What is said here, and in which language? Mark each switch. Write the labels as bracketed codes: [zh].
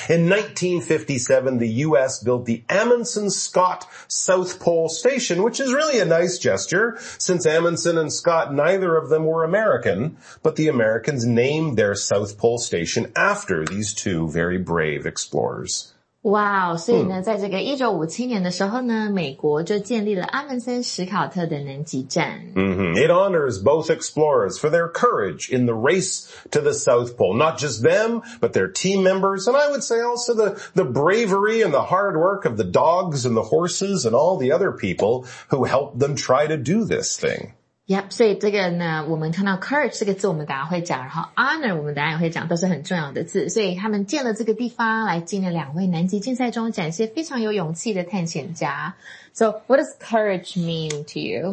[en] In 1957, the U.S. built the Amundsen Scott South Pole Station, which is really a nice gesture since Amundsen and Scott, neither of them were American, but the Americans named their South Pole Station after these two very brave explorers. [zh] Wow, 所以呢，在这个 1957年的时候呢，美国就建立了阿门森史考特的南极站。 Mm-hmm. [en] It honors both explorers for their courage in the race to the South Pole. Not just them, but their team members, and I would say also the bravery and the hard work of the dogs and the horses and all the other people who helped them try to do this thing. [zh] Yep, 所以这个呢，我们看到 courage 这个字，我们等下会讲，然后 honor 我们等下也会讲，都是很重要的字。所以他们建了这个地方来纪念两位南极竞赛中展现非常有勇气的探险家。 [en] So, what does courage mean to you?